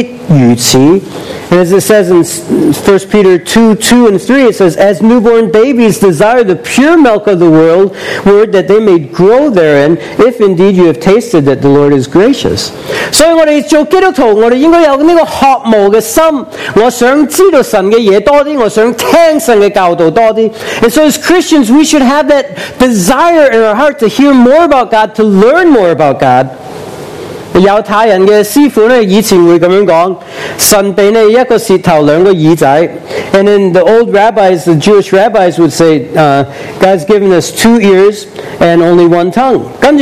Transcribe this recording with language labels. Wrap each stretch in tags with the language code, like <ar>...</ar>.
<en>And as it says in 1 Peter 2, 2 and 3, it says, as newborn babies desire the pure milk of the word that they may grow therein, if indeed you have tasted that the Lord is gracious. So and so as Christians, we should have that desire in our heart to hear more about God, to learn more about God.</en> <yue>猶太人的師傅以前會這樣說神給你一個舌頭兩個耳仔.</yue> <en>And then the old rabbis, the Jewish rabbis would say, God's given us two ears and only one tongue.</en>